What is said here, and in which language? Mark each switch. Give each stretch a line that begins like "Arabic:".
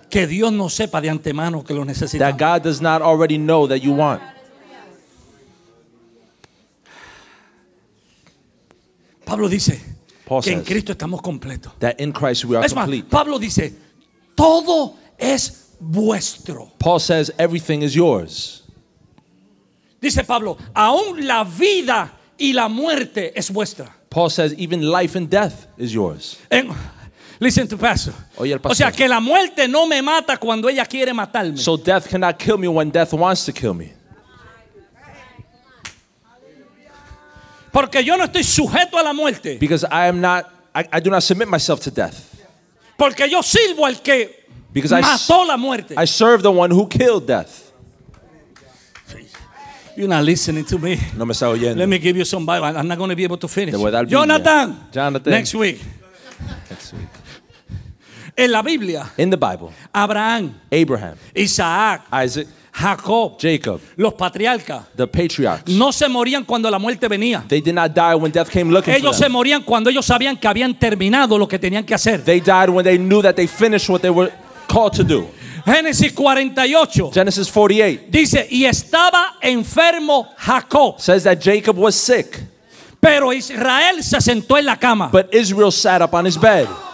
Spanish: Que Dios no sepa de antemano que lo necesitamos.
English: That God does not already know that you want.
Spanish: Pablo dice,
English: Paul
Spanish: que
English: says,
Spanish: en Cristo estamos completos.
English: That in Christ we are
Spanish: es más,
English: complete.
Spanish: Pablo dice, todo es vuestro.
English: Paul says, everything is yours.
Spanish: Dice Pablo, aún la vida y la muerte es vuestra.
English: Paul says, even life and death is yours. Listen to Pastor.
Spanish: Oye, el pastor. O sea, que la muerte no me mata cuando ella quiere matarme.
English: So death cannot kill me when death wants to kill me.
Spanish: Porque yo no estoy sujeto a la muerte.
English: Because I am not, I do not submit myself to death.
Spanish: Porque yo sirvo al que mató la muerte.
English: I serve the one who killed death. You're not listening to me.
Spanish: No me está oyendo.
English: Let me give you some Bible. I'm not going to be able to finish. Jonathan. Jonathan. Next week. Next week.
Spanish: En la Biblia.
English: In the Bible. Abraham. Abraham. Isaac. Isaac. Jacob. Jacob.
Spanish: Los patriarcas.
English: The patriarchs.
Spanish: No se morían cuando la muerte venía.
English: They did not die when death came looking
Spanish: ellos
English: for them.
Spanish: Se morían cuando ellos sabían que habían terminado lo que tenían que hacer.
English: They died when they knew that they finished what they were called to do. Genesis 48
Spanish: dice y estaba enfermo Jacob.
English: Says that Jacob was sick.
Spanish: Pero Israel se sentó en la cama.
English: But Israel sat up on his bed.